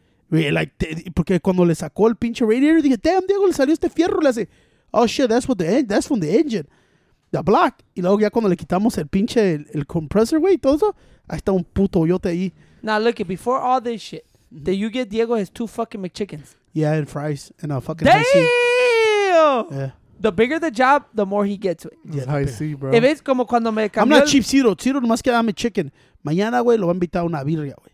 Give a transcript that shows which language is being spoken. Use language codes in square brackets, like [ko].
[es] Like, porque cuando le sacó el pinche radiator, dije, damn, Diego, le salió este fierro. Le hace, [en] oh, shit, that's from the engine. The block. [es] Y luego ya cuando le quitamos el pinche, el compressor, güey, todo eso, ahí está un puto hoyote ahí. [en] Now, look, before all this shit, did you get Diego his two fucking McChickens? Yeah, and fries. And a fucking damn! High C. Damn! Yeah. The bigger the job, the more he gets it. Yeah, high C, bro. [es] If it's como cuando me cambió. [en] I'm not cheap Ciro. [es] Ciro nomás que dame chicken. Mañana, güey, lo va a invitar a una birria, güey.